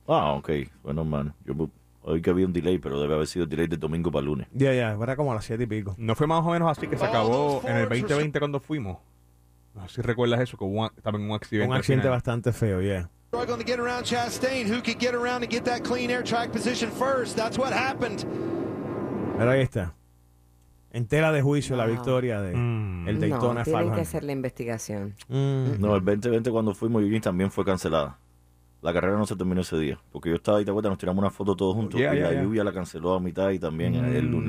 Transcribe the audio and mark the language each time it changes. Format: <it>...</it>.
<es>Ah, ok, bueno, man, yo oí que había un delay, pero debe haber sido el delay de domingo para lunes. Ya, ya, era como a las 7:00 y pico. ¿No fue más o menos así que se acabó en el 2020 cuando fuimos? No sé si recuerdas eso, que hubo estaba en un accidente. Un accidente bastante feo, yeah.</es> <en>Struggling to get around Chastain, who could get around and get that clean air track position first. That's what happened.</en> <es>Pero ahí está. En tela de juicio la victoria de el Daytona 500. No, tienen que hacer la investigación. No, el 2020 cuando fuimos, Eugene, también fue cancelada. La carrera no se terminó ese día. Porque yo estaba ahí, ¿te acuerdas? Nos tiramos una foto todos juntos. La lluvia la canceló a mitad y también el lunes.</es>